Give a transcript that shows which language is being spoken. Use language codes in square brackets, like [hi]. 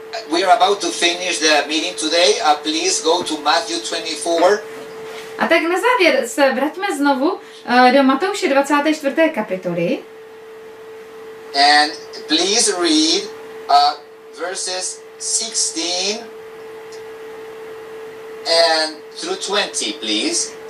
[en] We are about to finish the meeting today. Please go to Matthew 24. [cs] A tak na závěr se vraťme znovu do Matouše 24. kapitoly. [en] And please read verses 16 and through 20, please.